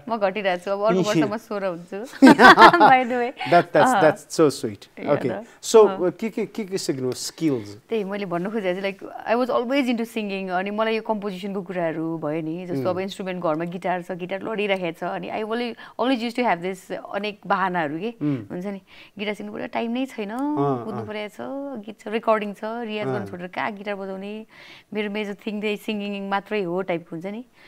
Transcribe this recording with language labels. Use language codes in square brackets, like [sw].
[ne] म घटिरहेछु अब अर्को वर्षमा 16 हुन्छु [en] by the way that's so sweet okay so के signal skills [ne] त्यही मैले भन्न खोजेको [en] like I was always into singing [ne] अनि मलाई कम्पोजिसनको कुराहरू भयो नि जस्तो अब इन्स्ट्रुमेन्ट घरमा गिटार छ गिटार लडिराखेको छ अनि [en] I only always use to have this [ne] अनेक बहानाहरू के हुन्छ नि गिटार सिक्नु पऱ्यो टाइम नै छैन कुद्नु परेको छ गीत छ रेकर्डिङ छ रियाज गर्नु छोडेर कहाँ गिटार बजाउने मेरो मेजर थिङ चाहिँ सिङ्गिङ मात्रै हो टाइपको हुन्छ नि